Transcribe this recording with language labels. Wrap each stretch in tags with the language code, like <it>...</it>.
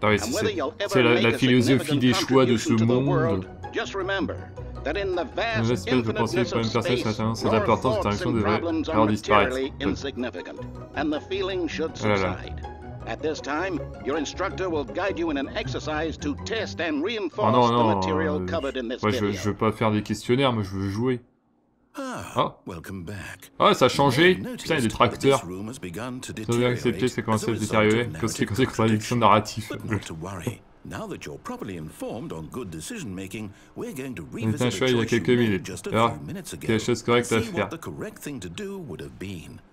<en>and whether you'll ever make a significant contribution to the world, just remember that in the vast infiniteness of space, your thoughts and problems just remember that in the vast infiniteness of space, your thoughts and problems are entirely insignificant, and the feeling should subside. At this point, I'm going to stop the game for a moment so we can educate you properly on safe decision making. At this time, your instructor will guide you in an exercise to test and reinforce the material covered in this video.</en> <fr>Je veux pas faire des questionnaires, mais je veux jouer.</fr> <en>Ah, welcome back.</en> <fr>Ah, ça a changé. Putain, il y a des tracteurs. Ça a bien accepté, ça a commencé à se détériorer. C'est comme ça, c'est narratif.</fr> <en>Now that you're properly informed on good decision making, we're going to revisit the choice you made just a few minutes ago.</en> <fr>Quelle chose correcte à faire?</fr> <en>What the correct thing to do would have been.</en>